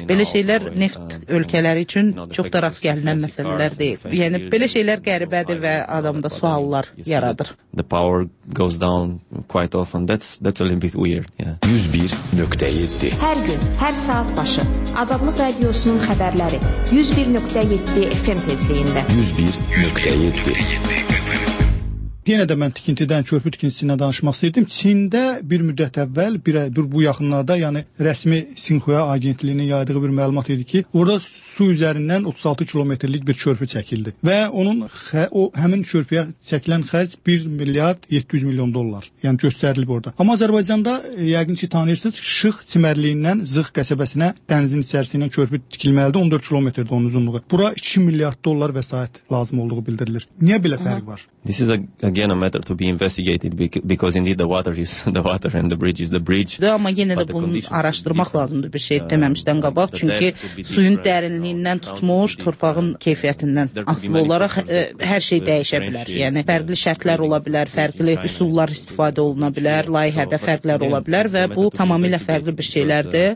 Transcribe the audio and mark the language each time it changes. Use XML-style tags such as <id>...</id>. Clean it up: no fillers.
<az>Belə şeylər neft ölkələri üçün çox da rast gəlinən məsələlər deyil. Yəni belə şeylər qəribədir və adamda suallar yaradır.</az> <en>The power goes down quite often. That's a little bit weird. Yeah. 101.7.</en> <az>Hər gün, hər saat başı. Azadlıq radiosunun xəbərləri. 101.7 FM tezliyində. 101.7 Yenə də mən tikintidən, körpü tikintisindən danışmaq istəyirdim. Çində bir müddət əvvəl, bu yaxınlarda, yəni rəsmi Sinhua agentliyinin yaydığı bir məlumat idi ki, orada su üzərindən 36 kilometrlik bir körpü çəkildi. Və onun həmin körpüyə çəkilən xərc 1 milyard 700 milyon dollar. Yəni göstərilib orada. Amma Azərbaycanda, yəqin ki, tanıyırsınız, Şıx çimərliyindən Zıx qəsəbəsinə dənizin içərisindən körpü tikilməlidir. 14 kilometrdir onun uzunluğu. Bura 2 milyard dollar vəsait lazım olduğu bildirilir. Niyə belə fərq var?</az> <en>This is again a matter to be investigated because indeed the water is the water and the bridge is the bridge.</en> <az>Də, amma yenə də bunu araşdırmaq lazımdır bir şey deməmişdən qabaq. Çünki suyun dərinliyindən tutmuş, torpağın keyfiyyətindən asılı olaraq hər şey dəyişə bilər. Yəni, fərqli şərtlər ola bilər, fərqli üsullar istifadə oluna bilər, layihədə fərqlər ola bilər və bu tamamilə fərqli bir şeylərdir.</az>